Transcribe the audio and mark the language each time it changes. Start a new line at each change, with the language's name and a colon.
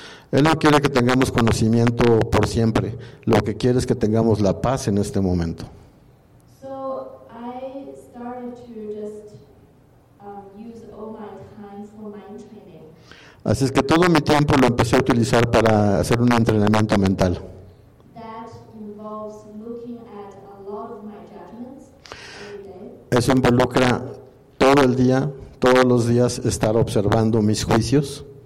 Spanish: Él no quiere que tengamos conocimiento por siempre. Lo que quiere es que tengamos la paz en este momento.
English: So I started to just use all my time for mind training.
Spanish: Así es que todo mi tiempo lo empecé a utilizar para hacer un entrenamiento mental.
English: That involves looking at a lot of my judgments every day.
Spanish: Eso involucra todo el día, todos los días estar observando mis juicios.